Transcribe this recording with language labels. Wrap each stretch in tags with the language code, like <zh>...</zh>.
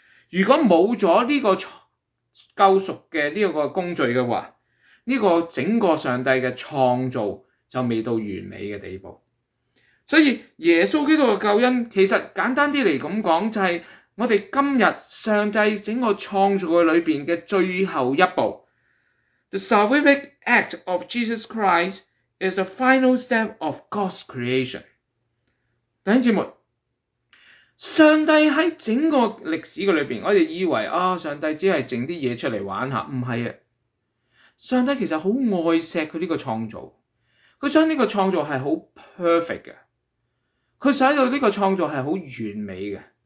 <zh>如果没有了这个救赎的这个工序的话，这个整个上帝的创造就未到完美的地步。所以耶稣基督的救恩，其实简单一点来讲，就是我们今日上帝整个创造里面的最后一步。</zh> <en>The salvific act of Jesus Christ is the final step of God's creation.</en> <zh>弟兄姊妹，上帝在整个历史的里面，我们以为啊、哦，上帝只是整些东西出来玩一下，不是的。上帝其实很爱惜他这个创造，他想这个创造是很 perfect 的，他想到这个创造是很完美的。</zh>